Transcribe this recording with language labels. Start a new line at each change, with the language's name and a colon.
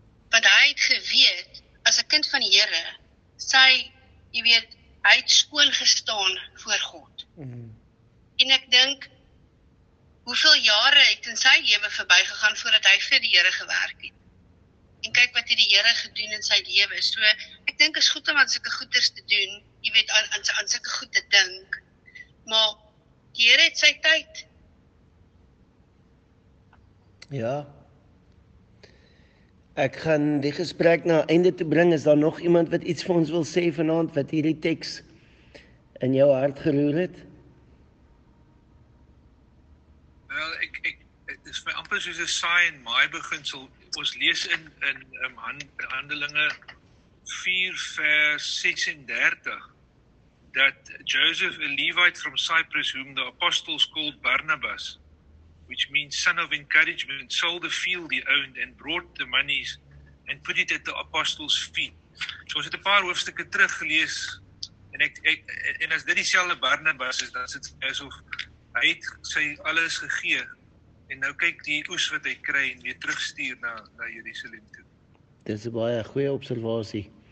Afrikaans: Want hy het geweet, as 'n kind van die Here, sy, jy weet, hy het skoon gestaan voor God. Mm-hmm. En ek dink, hoeveel jare het in sy lewe verby gegaan, voordat hy vir die Here gewerk het. En kyk wat die Here gedoen in sy lewe. So, ek dink is goed om aan sulke goeders te doen, jy weet, aan sulke goed te dink. Maar, die Here het sy tyd. Ja, ek gaan die gesprek na einde toe bring, is daar nog iemand wat iets vir ons wil sê vanavond, wat hierdie tekst in jou hart geroer het? Wel, het is my amper soos een saai en maai beginsel, ons lees in Handelinge
English: 4 vers 36 that Joseph, a Levite from Cyprus, whom the apostles called Barnabas, which means son of encouragement, sold the field he owned and brought the monies and put it at the apostles' feet.
Afrikaans: So ons het 'n paar hoofstukke terug gelees en ek as dit dieselfde Barnabas is, dan sit hy asof hy het sy alles gegee en nou kyk die oes wat hy kry en weer terugstuur na Jerusalem toe. Dis 'n baie goeie observasie.